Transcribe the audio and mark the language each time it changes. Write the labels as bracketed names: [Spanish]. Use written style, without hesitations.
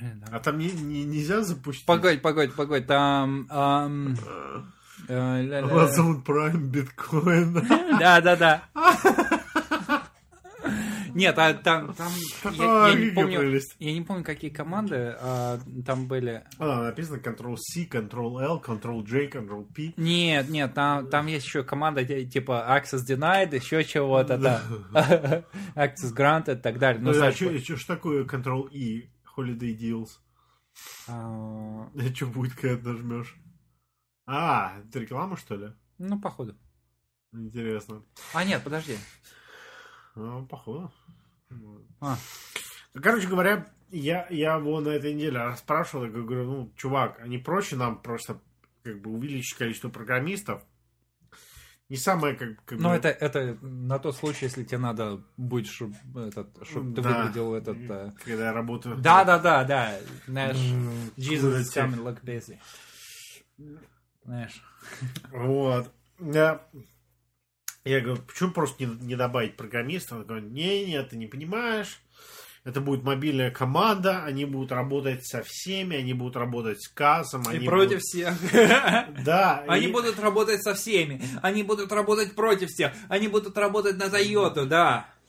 [Russian] А там нельзя запустить? Погодь. Там... [English] Amazon Prime Bitcoin. [Russian] Да. Нет, а там... Я не помню, какие команды там были. Написано Ctrl-C, Ctrl-L, Ctrl-J, Ctrl-P. Нет, там есть еще команда типа Access Denied, еще чего-то, да. Access Granted и так далее. А что ж такое Ctrl-E? [English] Holiday Deals. [Russian] А что будет, когда нажмешь? А, это реклама, что ли? Ну, походу. Интересно. А, нет, подожди. Ну, походу. А. Короче говоря, я его на этой неделе расспрашивал, я говорю, ну, чувак, а не проще нам просто как бы увеличить количество программистов? Не самое, как бы... Ну, это на тот случай, если тебе надо будет, чтобы ты выглядел этот... Когда я работаю... Да. Знаешь, [English] Jesus is coming, look busy. [Russian] Знаешь. Вот. Да. Я говорю, почему просто не добавить программиста? Он говорит, не, ты не понимаешь. Это будет мобильная команда, они будут работать со всеми, они будут работать с КАЗом. И против всех. Да. Они будут работать со всеми, они будут работать против всех, они будут работать на Toyota, да.